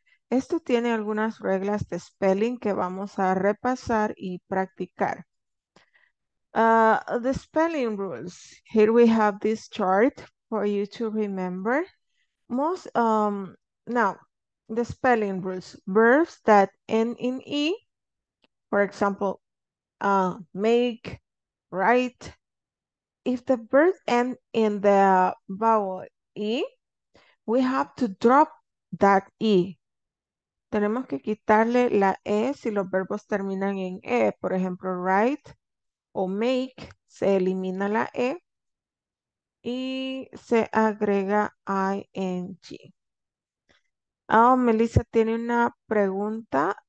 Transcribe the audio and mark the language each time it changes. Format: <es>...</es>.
<es>Esto tiene algunas reglas de spelling que vamos a repasar y practicar.</es> <en>The spelling rules. Here we have this chart for you to remember. The spelling rules. Verbs that end in e, for example, make, write, if the verb ends in the vowel E, we have to drop that E.</en> <es>Tenemos que quitarle la E si los verbos terminan en E. Por ejemplo, write o make, se elimina la E y se agrega ING. Oh, Melissa tiene una pregunta.</es>